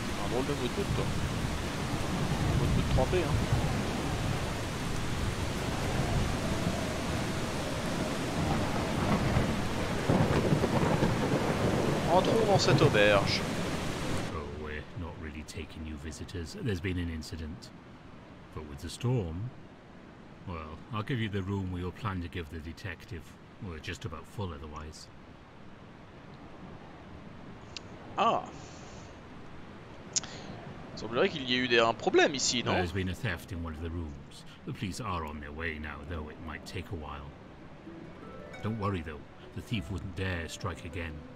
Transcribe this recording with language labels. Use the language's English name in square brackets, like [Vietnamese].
[French] Drôle de moto, toi. Moto de trempé, hein. Entrons dans cette auberge. [English] Oh, we're not really taking you visitors. There's been an incident, but with the storm. Well, I'll give you the room we were planning to give the detective. We're just about full otherwise. Ah. [French] Il semblerait qu'il y ait eu un problème ici, non? [English] There's been a theft in one of the rooms. The police are on their way now, though it might take a while. Don't worry though, the thief wouldn't dare strike again.